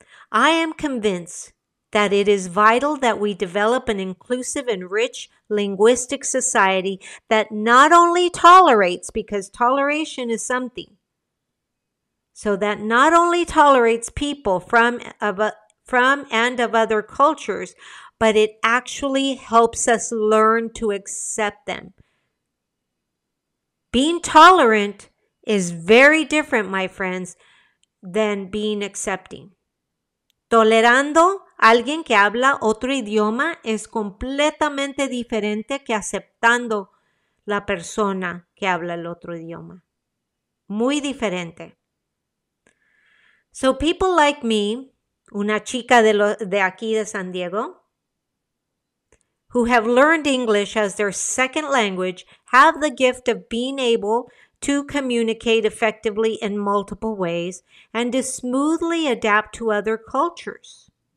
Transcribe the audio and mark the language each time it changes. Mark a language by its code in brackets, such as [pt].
[en] I am convinced that it is vital that we develop an inclusive and rich linguistic society that not only tolerates, because toleration is something, so that not only tolerates people from and of other cultures, but it actually helps us learn to accept them. Being tolerant is very different, my friends, than being accepting. [es] Tolerando alguien que habla otro idioma es completamente diferente que aceptando la persona que habla el otro idioma. Muy diferente. [en] So people like me, [es] una chica de aquí de San Diego, [en] who have learned English as their second language, have the gift of being able to communicate effectively in multiple ways and to smoothly adapt to other cultures.